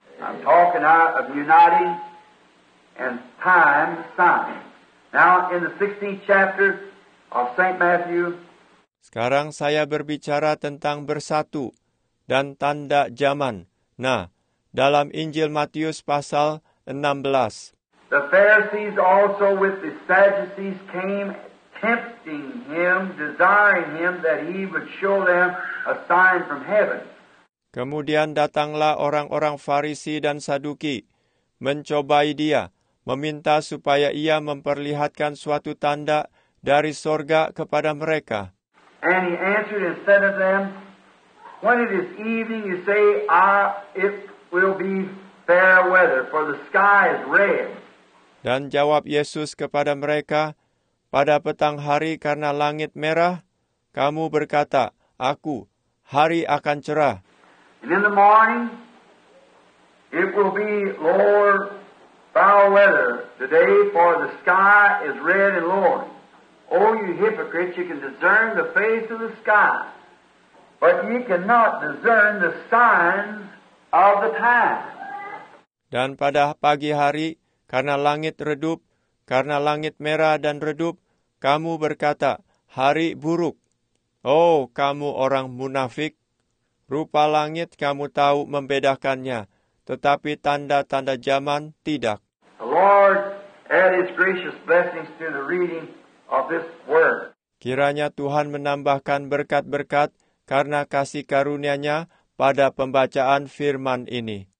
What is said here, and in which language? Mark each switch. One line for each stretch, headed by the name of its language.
English: I'm talking of uniting and time signing. Now in the 16th chapter of St. Matthew.
Indonesian: Sekarang saya berbicara tentang bersatu dan tanda zaman. Nah, dalam Injil Matius pasal 16.
English: The Pharisees also with the Sadducees came tempting him, desiring him that he would show them a sign from heaven.
Indonesian: Kemudian datanglah orang-orang Farisi dan Saduki, mencobai dia, meminta supaya ia memperlihatkan suatu tanda dari sorga kepada mereka.
English: And he answered and said to them, when it is evening, you say, it will be fair weather, for the sky is red.
Indonesian: Dan jawab Yesus kepada mereka, pada petang hari karena langit merah, kamu berkata, aku, hari akan cerah.
English: And in the morning, it will be lower, foul weather today, for the sky is red and lowering. O you hypocrites, you can discern the face of the sky, but you cannot discern the signs of the time.
Indonesian: Dan pada pagi hari, karena langit redup, karena langit merah dan redup, kamu berkata, hari buruk. Oh, kamu orang munafik, rupa langit kamu tahu membedakannya, tetapi tanda-tanda zaman tidak.
English: The Lord add His gracious blessings to the reading of this word.
Indonesian: Kiranya Tuhan menambahkan berkat-berkat karena kasih karunia-Nya pada pembacaan firman ini.